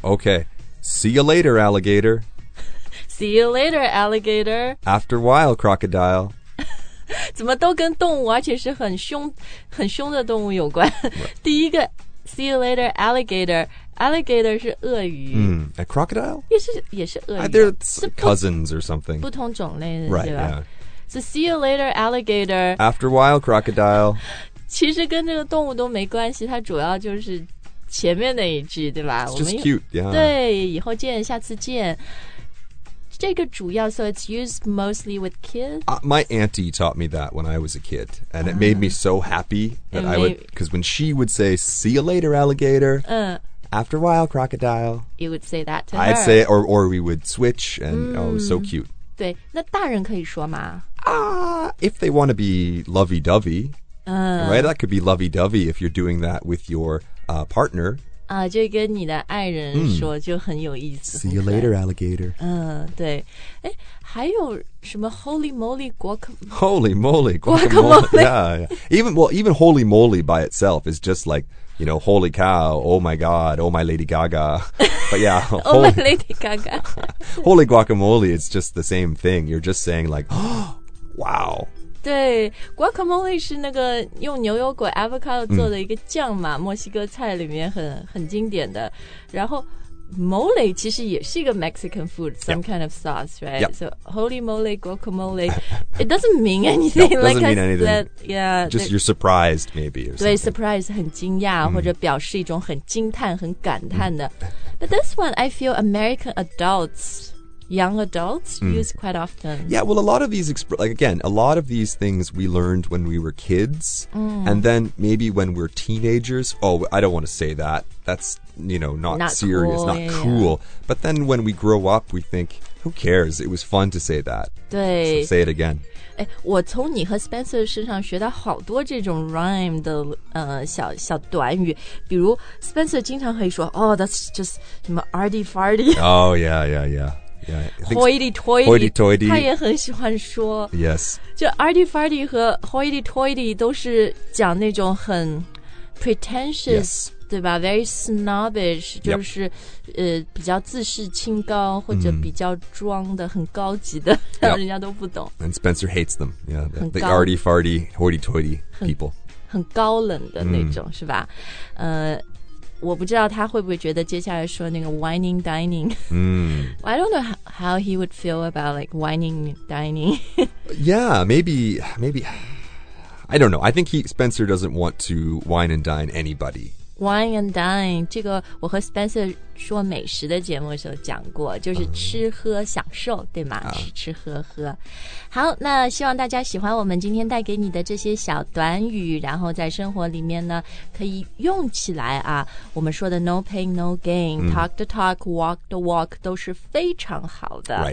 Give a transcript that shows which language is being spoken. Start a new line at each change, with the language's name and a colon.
English: Okay. See you later, alligator. See you later, alligator. After a while, crocodile.
Chinese: 怎么都跟动物，而且是很凶、很凶的动物有关。第一个 ，
English: see you later, alligator.
Chinese: Alligator 是鳄鱼。
English: A crocodile?
Chinese: 也是鳄鱼。
English: They're cousins or something.
Chinese: 不同种类的，
English: right,
Chinese: 对吧、
English: yeah. ？So see you later, alligator. After a while, crocodile.
Chinese: 其实跟这个动物都没关系，它主要就是。前面那一句对吧
English: It's just cute、yeah.
Chinese: 对以后见下次见这个主要
English: So it's used mostly with kids、 My auntie taught me that when I was a kid And it made me so happy that I would, Because when she would say See you later alligator、After a while crocodile You would say that to her I'd say it or we would switch And、oh so cute
Chinese: 对那大人可以说吗、
English: If they want to be lovey-dovey、Right that could be lovey-dovey If you're doing that with yourpartner.
Chinese: 啊、就跟你的爱人说就很有意思。
English: See you later, alligator.
Chinese: 对。哎，还有什么
English: holy moly, guacamole? Holy moly, guacamole. Yeah, yeah. Even holy moly by itself is just like, you know, holy cow, oh my god, oh my Lady Gaga. But yeah, holy, oh my Lady Gaga. holy guacamole, it's just the same thing. You're just saying like, wow.
Chinese: 对 ,guacamole 是那个用牛油果 avocado 做的一个酱嘛、墨西哥菜里面很经典的。然后
English: mole
Chinese: 其实也是一个
English: Mexican food, some kind of sauce, right?、 Yep. So holy mole, guacamole, it doesn't mean anything. No, doesn't mean anything. That, yeah, Just you're surprised, maybe. Or
Chinese: 对 ,surprise 很惊讶、或者表示一种很惊叹很感叹的。
English: But this one, I feel American adults... Young adults use quite often. Yeah, well, a lot of these, a lot of these things we learned when we were kids. And then maybe when we're teenagers. Oh, I don't want to say that. That's, you know, not serious, cool, not yeah, cool. Yeah. But then when we grow up, we think, who cares? It was fun to say that.
Chinese: 对
English: so say it again.
Chinese: 我从你和 Spencer 身上学到好多这种 rhyme 的、小小短语。比如
English: Spencer
Chinese: 经常会说
English: oh, that's just
Chinese: 什么
English: arty farty. Oh, yeah, yeah, yeah.
Chinese: Hoity-toity 他也很喜欢说
English: Yes
Chinese: 就 arty-farty 和 hoity-toity 都是讲那种很 pretentious、
English: yes.
Chinese: 对吧
English: Very snobbish
Chinese: 就是、比较自视清高或者比较装的、很高级的、人家都不懂
English: And Spencer hates them yeah, The arty-farty hoity-toity people
Chinese: 很高冷的那种、是吧我不知道他会不会觉得接下来说那个 whining dining、
English: I don't know how he would feel about like whining dining Yeah, maybe I don't know, I think Spencer doesn't want to whine and dine anybody
Chinese: Whine and dine 这个我和 Spencer 说美食的节目的时候讲过就是吃喝享受对吗、吃吃喝喝好那希望大家喜欢我们今天带给你的这些小短语然后在生活里面呢可以用起来啊我们说的
English: no pain no gain、 talk the talk walk the walk
Chinese: 都是非常好的